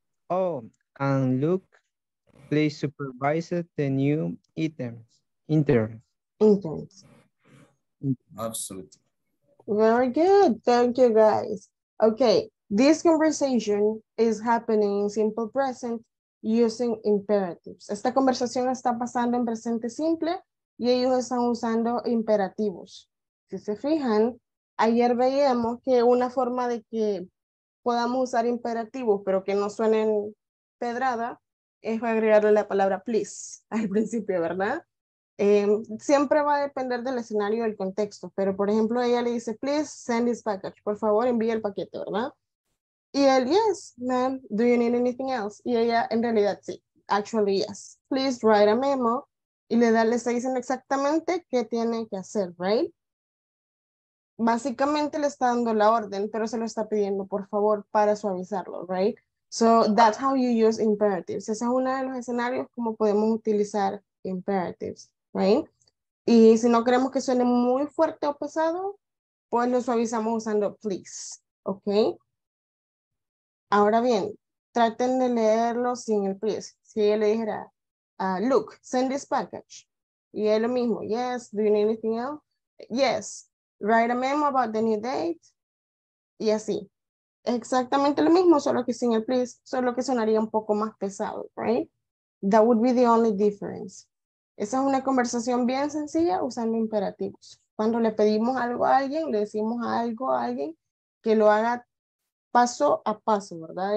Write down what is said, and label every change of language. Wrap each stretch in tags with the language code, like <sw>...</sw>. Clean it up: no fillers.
<en>Oh, and look, please supervise the new interns. Interns. Absolutely. Very good. Thank you, guys. Okay, this conversation is happening in simple present using imperatives.</en> <es>Esta conversación está pasando en presente simple y ellos están usando imperativos. Si se fijan, ayer veíamos que una forma de que podamos usar imperativos, pero que no suenen pedrada, es agregarle la palabra please al principio, ¿verdad? Siempre va a depender del escenario y del contexto, pero por ejemplo, ella le dice, please send this package, por favor, envíe el paquete, ¿verdad?</es> <en>Y él, yes, ma'am, do you need anything else? Y ella, en realidad, sí, actually, yes. Please write a memo.</en> <es>Y le está diciendo exactamente qué tiene que hacer, right? Básicamente le está dando la orden, pero se lo está pidiendo, por favor, para suavizarlo, right? So that's how you use imperatives. Ese es uno de los escenarios como podemos utilizar imperatives, right? Y si no queremos que suene muy fuerte o pesado, pues lo suavizamos usando please, okay? Ahora bien, traten de leerlo sin el please. Si ella le dijera, look, send this package.</es> <en>Y él lo mismo, yes, do you need anything else? Yes, write a memo about the new date.</en> <es>Y así. Exactamente lo mismo, solo que sin el please, solo que sonaría un poco más pesado, right? That would be the only difference. Esa es una conversación bien sencilla usando imperativos. Cuando le pedimos algo a alguien, le decimos algo a alguien que lo haga paso a paso, ¿verdad?</es>